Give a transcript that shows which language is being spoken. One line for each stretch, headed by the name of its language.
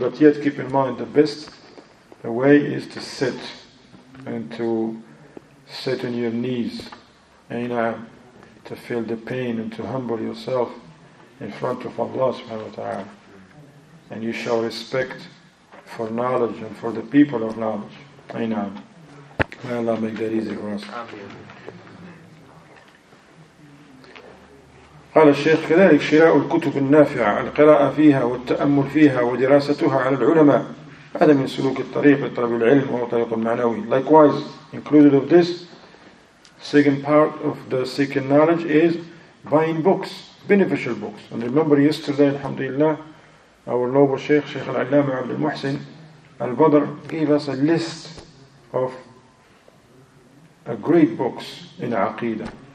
English: But yet keep in mind, the best way is to sit, and to sit on your knees, and to feel the pain, and to humble yourself in front of Allah subhanahu wa ta'ala. And you show respect for knowledge and for the people of knowledge. Aynam. May Allah make that easy for us.
Arabic: قال الشيخ كذلك شراء الكتب النافعة القراءة فيها والتأمل فيها ودراستها على العلماء هذا من سلوك الطريق لطلب العلم وهو طريق المعنوي.
English: Likewise, included of this second part of the seeking knowledge is buying books, beneficial books. And remember yesterday, alhamdulillah, our noble Sheikh, Sheikh Al-Allama Abdul Muhsin Al-Badr gave us a list of a great books in Aqeedah.